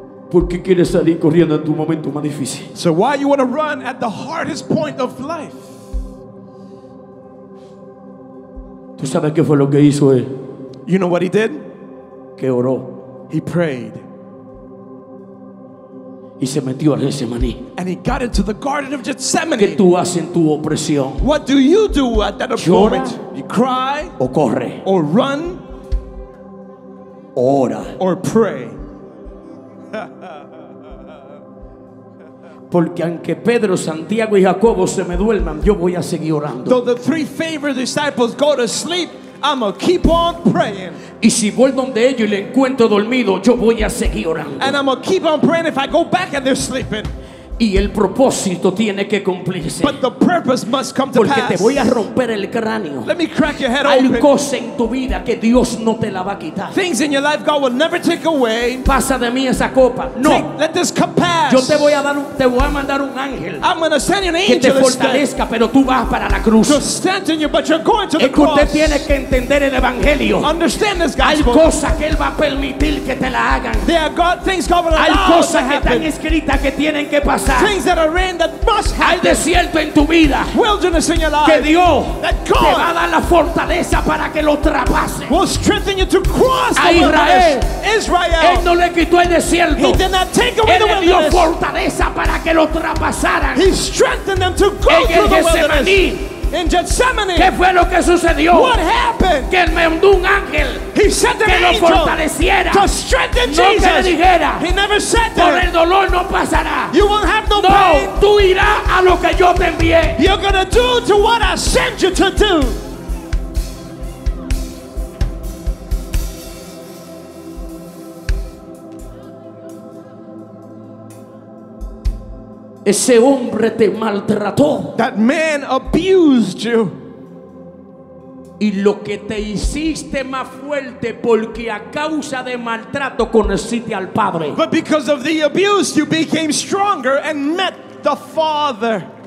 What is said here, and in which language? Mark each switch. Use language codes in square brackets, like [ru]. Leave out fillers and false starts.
[es] ¿Por qué quieres salir corriendo en tu momento más difícil? [en] So why you want to run at the hardest point of life? [es] ¿Tú sabes qué fue lo que hizo él? [en] You know what he did? [es] Que oró. [en] He prayed. [es] Y se metió a Getsemaní. [en] And he got into the Garden of Gethsemane. [es] ¿Qué tú haces en tu opresión? [en] What do you do at that moment? You cry? [es] O corre. [en] Or run? [es] Ora. [en] Or pray. [es] Porque aunque Pedro, Santiago y Jacobo se me duerman, yo voy a seguir orando. [en] Though the three favorite disciples go to sleep, I'm gonna keep on praying. [es] Y si vuelvo donde ellos y le encuentro dormido, yo voy a seguir orando. [en] And I'm gonna keep on praying if I go back and they're sleeping. [es] Y el propósito tiene que cumplirse. [en] But the purpose must come to pass. [es] Porque te voy a romper el cráneo. [en] Let me crack your head open. [es] Hay cosas en tu vida que Dios no te la va a quitar. [en] Things in your life God will never take away. [es] Pasa de mí esa copa. No. [en] Take, let this cup pass. [es] Yo te voy a dar, te voy a mandar un ángel. [en] I'm gonna send you an angel [es] que te fortalezca, pero tú vas para la cruz. [en] To strengthen you, but you're going to the cross. [es] Usted tiene que entender el evangelio. [en] Understand this gospel. [es] Hay cosas que él va a permitir que te la hagan. [en] There are God, things God will allow. [es] Hay cosas que están escritas que tienen que pasar. [en] Things that are in that must happen. [es] Hay desierto en tu vida. [en] Wilderness in your life. [es] Que Dios [en] that God [es] te va a dar la fortaleza para que lo traspase. [en] Will strengthen you to cross [es] a Israel. [en] The wilderness. Israel. [es] Él no le quitó el desierto. [en] He did not take away [es] Él [en] the wilderness. [es] Dio fortaleza para que lo traspasaran. [en] He strengthened them to go [es] en [en] through the wilderness. In Gethsemane. [es] ¿Qué fue lo que sucedió? [en] What happened? [es] Que me mandó un ángel. [en] He sent an [es] que [en] angel [es] lo fortaleciera. [en] To strengthen [es] no [en] Jesus. [es] Que le dijera, [en] he never said that. [es] Por el dolor no pasará. [en] You won't have no, no pain. [es] Tú irás a lo que yo te envié. [en] You're going to do to what I sent you to do. [es] Ese hombre te maltrató. [en] That man abused you. [es] Y lo que te hiciste más fuerte porque a causa de maltrato conociste al Padre. [en] But because of the abuse you became stronger and met the Father.